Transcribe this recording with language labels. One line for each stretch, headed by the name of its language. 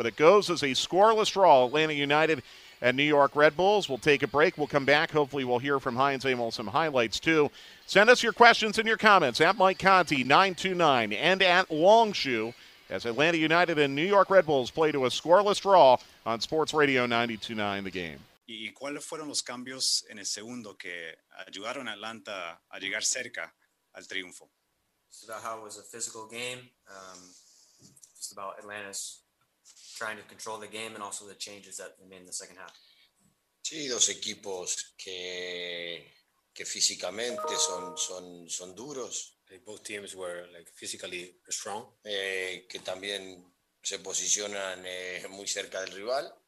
English: But it goes as a scoreless draw, Atlanta United and New York Red Bulls. We'll take a break. We'll come back. Hopefully we'll hear from Heinze and we'll some highlights too. Send us your questions and your comments at Mike Conti 929 and at Longshoe as Atlanta United and New York Red Bulls play to a scoreless draw on Sports Radio 929 The Game.
Spanish: ¿Y cuáles fueron los cambios en el segundo que ayudaron a Atlanta a llegar cerca al triunfo?
English: It's about how it was a physical game. It's about Atlanta's trying to control the game and also the changes that they made in the second half.
Spanish: Sí, dos equipos que físicamente son duros.
English: Both teams were like physically strong.
Spanish: Que también se posicionan muy cerca del rival.